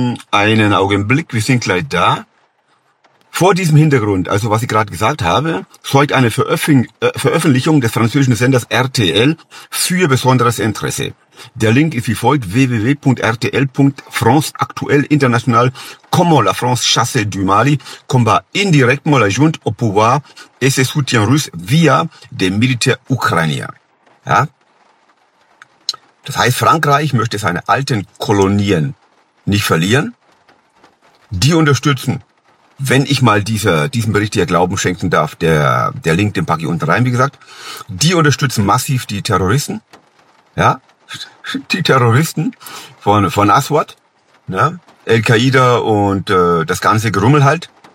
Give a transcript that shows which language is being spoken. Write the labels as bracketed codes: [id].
[de] Einen Augenblick, wir sind gleich da. Vor diesem Hintergrund, also was ich gerade gesagt habe, sorgt eine Veröffentlichung des französischen Senders RTL für besonderes Interesse. Der Link ist wie folgt: www.rtl.franceactuel-international. [fr] Comment la France chasse du Mali, combat indirectement la junte au pouvoir et ses soutiens russes via des militaires ukrainiens. [de] Ja? Das heißt, Frankreich möchte seine alten Kolonien nicht verlieren. Die unterstützen, wenn ich mal diesem Bericht hier Glauben schenken darf, der Link, den packe ich unten rein, wie gesagt, die unterstützen massiv die Terroristen, ja, die Terroristen von Aswad, ne, Al-Qaida und das ganze Gerummel halt.